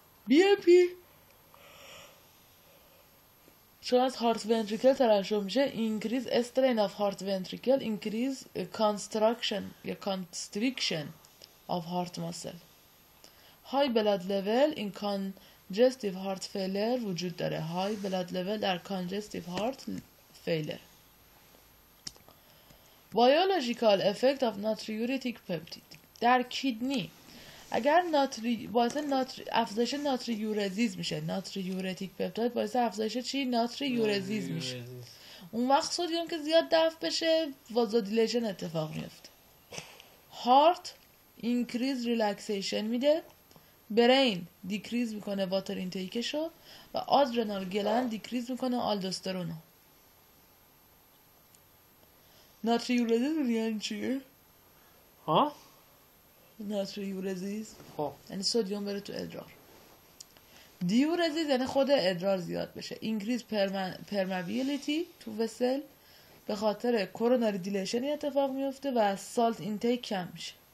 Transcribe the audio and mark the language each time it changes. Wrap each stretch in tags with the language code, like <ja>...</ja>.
<en>BMP چون از heart ventricle ترشح میشه، increase strain of heart ventricle، increase constriction یا constriction of heart muscle. High blood level in congestive heart failure</en> <fa>وجود داره.</fa> <en>High blood level در congestive heart failure. Biological effect of natriuretic peptide</en> <fa>در کیدنی. اگر افزایش natriuresis میشه، natriuretic peptide باعث افزایش چی؟ natriuresis میشه. اون وقت سدیم که زیاد دفع بشه vasodilation اتفاق میفته.</fa> <en>Heart increase relaxation میده، brain decrease میکنه water intakeشو و adrenal gland decrease میکنه aldosterone.</en> <fa>natriuresis یعنی چیه؟ ها؟ natriuresis یعنی سدیم بره تو ادرار. diuresis یعنی خود ادرار زیاد بشه.</fa> <en>increase permeability تو vessel به خاطر coronary dilation</en> <fa>اتفاق میفته و</fa> <en>salt intake</en> <fa>کم میشه.</fa>